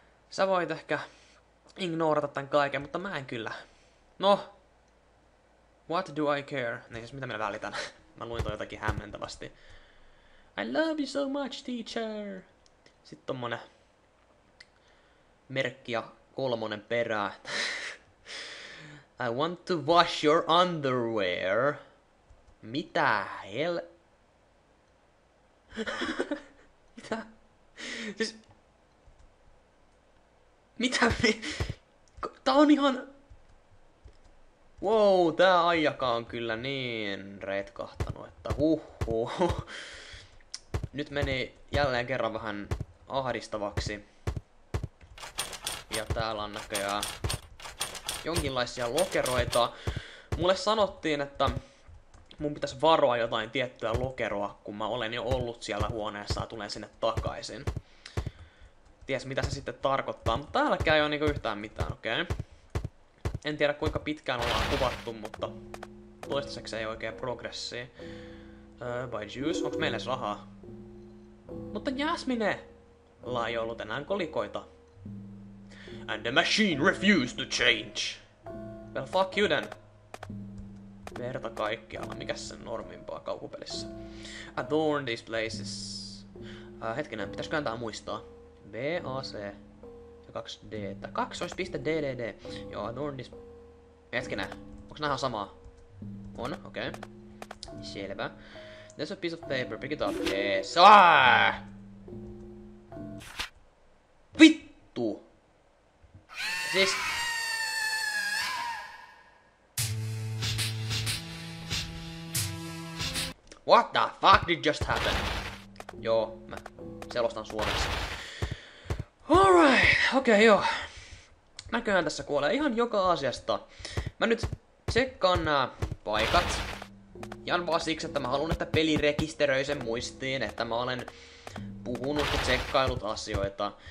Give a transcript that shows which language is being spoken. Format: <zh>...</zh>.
<fi>Sä voit ehkä ignorata tän kaiken, mutta mä en kyllä.</fi> <en>No, what do I care?</en> <fi>Niin siis mitä minä välitän? Mä luin toi jotakin hämmentävästi.</fi> <en>I love you so much, teacher!</en> <fi>Sitten tommonen merkki ja kolmonen perää.</fi> <en>I want to wash your underwear.</en> <fi>Mitä hel... Mitä? Siis... Mitä? Tää on ihan... Wow, tää aijaka on kyllä niin retkahtanut, että huhhuh. Nyt meni jälleen kerran vähän ahdistavaksi. Ja täällä on näköjään jonkinlaisia lokeroita. Mulle sanottiin, että mun pitäisi varoa jotain tiettyä lokeroa, kun mä olen jo ollut siellä huoneessa ja tulen sinne takaisin. Ties mitä se sitten tarkoittaa, mutta täälläkään ei ole niinku yhtään mitään, okei. Okay. En tiedä kuinka pitkään ollaan kuvattu, mutta toistaiseksi ei oikein progressi. By juice, onks meille rahaa? Mutta Jasmine! Lä ei ollut enää kolikoita.</fi> <en>And the machine refused to change! Well fuck you then!</en> <fi>Verta kaikkialla, mikäs sen normimpaa kaukupelissä?</fi> <en>Adorn these places.</en> <fi>Hetkinen, pitäisköhän tää muistaa? B-A-C. 2D, että 2 olisi piste DDD. Joo,</fi> <en>adorn this...</en> <fi>Hetkinen, onks nähä samaa? On, okei. Okay. Selvä.</fi> <en>There's a piece of paper, pick it up. Yes. Ah!</en> <fi>Vittu! Siis...</fi> <en>What the fuck did just happen?</en> <fi>Joo, mä selostan suomeksi. Alright, okei okay, joo. Näköjään tässä kuolee ihan joka asiasta. Mä nyt tsekkaan nää paikat. Ihan vaan siksi, että mä haluan, että peli rekisteröi sen muistiin, että mä olen puhunut ja tsekkailut asioita.</fi>